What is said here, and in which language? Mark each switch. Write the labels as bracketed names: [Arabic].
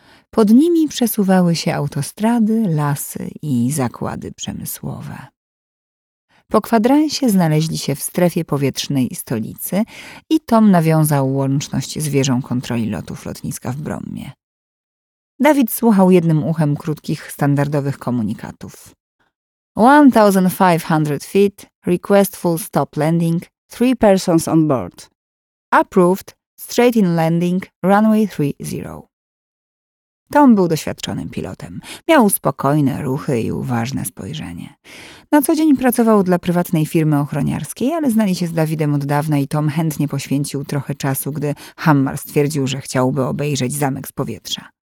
[Polish] Pod nimi przesuwały się autostrady, lasy i zakłady przemysłowe. Po kwadransie znaleźli się w strefie powietrznej stolicy i Tom nawiązał łączność z wieżą kontroli lotów lotniska w Brommie. Dawid słuchał jednym uchem krótkich, standardowych komunikatów. [English] 1500 feet, request full stop landing, 3 persons on board. Approved, straight in landing, runway 30. [Polish] Tom był doświadczonym pilotem. Miał spokojne ruchy i uważne spojrzenie. Na co dzień pracował dla prywatnej firmy ochroniarskiej, ale znali się z Dawidem od dawna i Tom chętnie poświęcił trochę czasu, gdy Hammar stwierdził, że chciałby obejrzeć zamek z powietrza.